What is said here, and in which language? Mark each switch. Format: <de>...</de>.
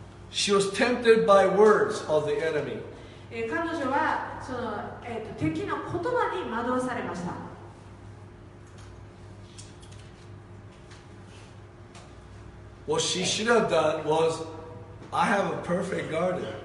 <en>She was tempted by words of the enemy.</en> <ja>彼女はその、敵の言葉に惑わされました。</ja> <en>What she should have done was, I have a perfect garden.</en>